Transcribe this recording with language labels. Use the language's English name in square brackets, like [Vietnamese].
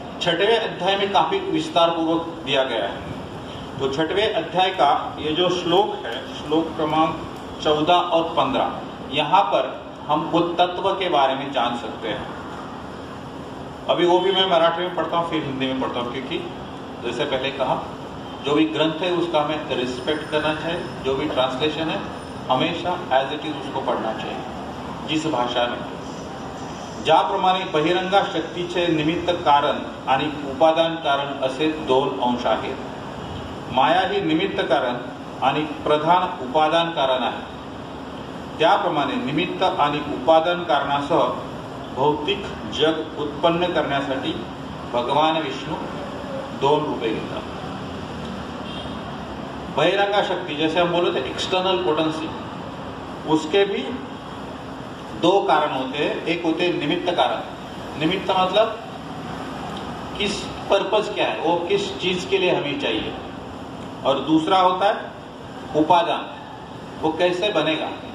[Hindi] छठवें अध्याय में काफी विस्तार पूर्वक दिया गया है, तो छठवें अध्याय का ये जो श्लोक है श्लोक क्रमांक 14 और 15, यहां पर हम वो तत्व के बारे में जान सकते हैं। अभी वो भी मैं मराठी में पढ़ता हूँ फिर हिंदी में पढ़ता हूँ, क्योंकि जैसे पहले कहा जो भी ग्रंथ है उसका हमें रिस्पेक्ट करना चाहिए, जो भी ट्रांसलेशन है हमेशा एज इट इज उसको पढ़ना चाहिए जिस भाषा में। [Marathi] ज्या प्रमाणे बहिरंगा शक्तीचे निमित्त कारण आणि उपादान कारण असे दोन अंश आहेत, माया ही निमित्त कारण आणि प्रधान उपादान कारण आहे, त्याप्रमाणे निमित्त आणि उपादान कारणासह भौतिक जग उत्पन्न करण्यासाठी भगवान विष्णु दोन रूपे घेतात। [Hindi] बहिरंगा शक्ति जैसे हम बोलते एक्सटर्नल पोटेंसी, उसके भी दो कारण होते हैं, एक होते हैं निमित्त कारण। निमित्त मतलब किस पर्पज क्या है, वो किस चीज के लिए हमें चाहिए, और दूसरा होता है उपादान, वो कैसे बनेगा।